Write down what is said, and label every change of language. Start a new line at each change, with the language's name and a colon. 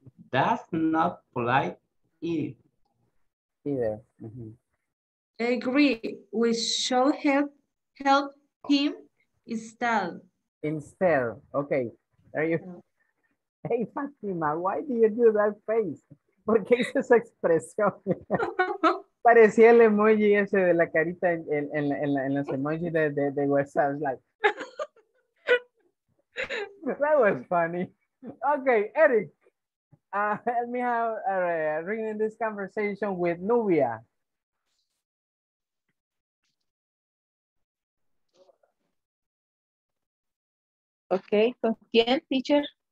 English: That's not polite either. I agree. We shall help him instead. Instead, okay. Are you? Hey, Fatima, why do you do that face?
Spanish: ¿Por qué hizo esa expresión? Parecía el emoji ese de la carita en los emojis de WhatsApp.
English: Like. That was funny. Okay, Eric, help me have a ring in this conversation with Nubia.
Spanish: Okay, ¿con quién, teacher?